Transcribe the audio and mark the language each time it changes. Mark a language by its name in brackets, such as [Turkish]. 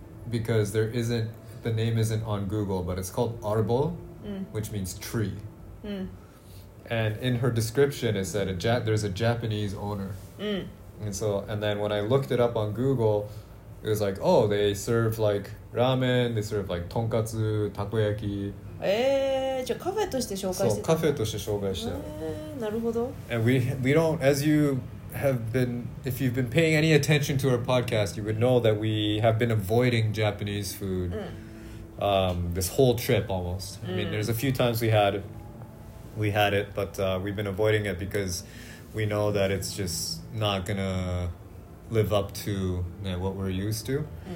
[English] Because there isn't, the name isn't on Google, but it's called Arbol, which means tree. And in her description, it said, there's a Japanese owner. And so, and then when I looked it up on Google, it was like, oh, they serve like ramen, they serve like tonkatsu, takoyaki. [Japanese] じゃあカフェとして紹介してた。そう、カフェとして紹介してた。なるほど。 [English] And we don't, as you have been, if you've been paying any attention to our podcast, you would know that we have been avoiding Japanese food this whole trip almost. I mean, there's a few times we had it, but we've been avoiding it because we know that it's just not gonna live up to what we're used to.